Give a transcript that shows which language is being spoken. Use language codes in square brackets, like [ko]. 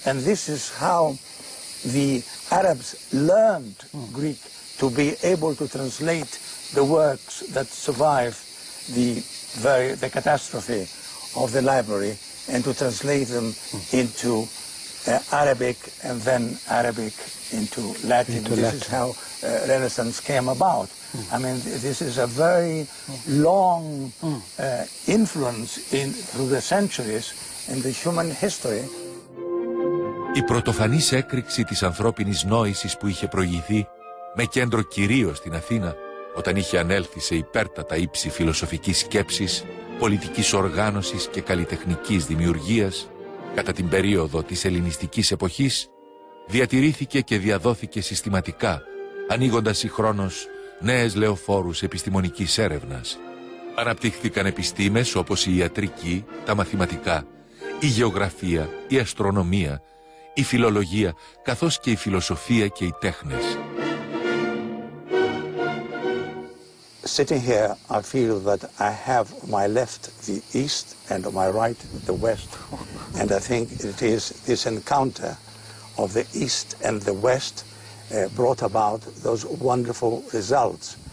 [en] And this is how the Arabs learned Greek, to be able to translate the works that survived the catastrophe of the library, and to translate them into Arabic, and then Arabic into Latin. This is how Renaissance came about. I mean, this is a very long influence in through the centuries in the human history. [el] Η πρωτοφανής έκρηξη της ανθρώπινης νόησης που είχε προηγηθεί, με κέντρο κυρίως στην Αθήνα, όταν είχε ανέλθει σε υπέρτατα ύψη φιλοσοφικής σκέψης, πολιτικής οργάνωσης και καλλιτεχνικής δημιουργίας, κατά την περίοδο της ελληνιστικής εποχής, διατηρήθηκε και διαδόθηκε συστηματικά, ανοίγοντας συγχρόνως νέες λεωφόρους επιστημονικής έρευνας. Αναπτύχθηκαν επιστήμες όπως η ιατρική, τα μαθηματικά, η γεωγραφία, η αστρονομία, η φιλολογία, καθώς και η φιλοσοφία και οι τέχνες. [en] Sitting here, I feel that I have my left the east and my right the west. And I think it is this encounter of the east and the west brought about those wonderful results.